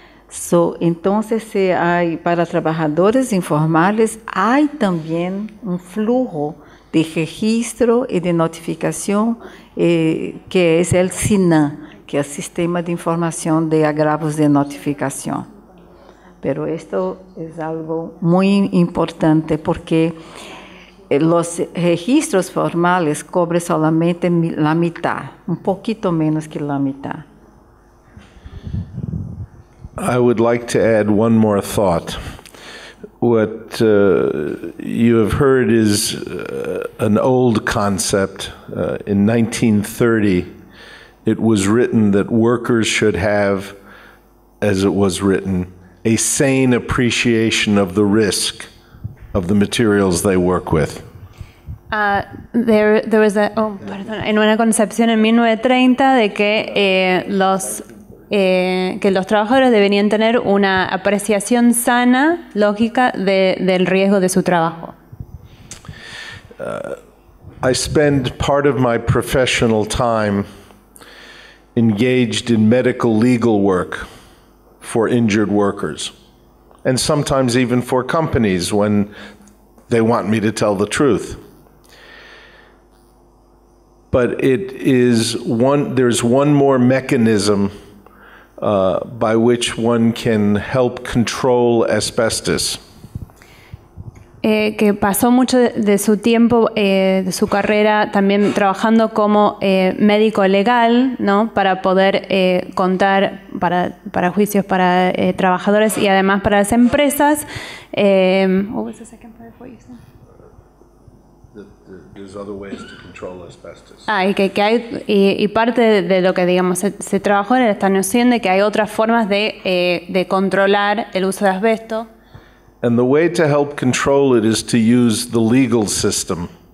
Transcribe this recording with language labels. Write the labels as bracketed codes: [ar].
[es] So, entonces si hay para trabajadores informales hay también un flujo de registro y de notificación que es el SINAM, que es el Sistema de Información de Agravos de Notificación. Pero esto es algo muy importante porque los registros formales cubren solamente la mitad, un poquito menos que la mitad. [en] I would like to add one more thought. What you have heard is an old concept. In 1930, it was written that workers should have, as it was written, a sane appreciation of the risk of the materials they work with. [es] En una concepción en 1930 de que los trabajadores deberían tener una apreciación sana, lógica del riesgo de su trabajo. [en] I spend part of my professional time engaged in medical legal work for injured workers, and sometimes even for companies when they want me to tell the truth. But it is there's one more mechanism by which one can help control asbestos. [es] Que pasó mucho de su tiempo, de su carrera, también trabajando como médico legal, ¿no? Para poder contar para juicios para trabajadores y además para las empresas. [en] What was the second part of what you said? There's other ways to control asbestos. [es] Y parte de lo que digamos se trabajó en esta noción de que hay otras formas de controlar el uso de asbesto. [en] And the way to help control it is to use the legal system.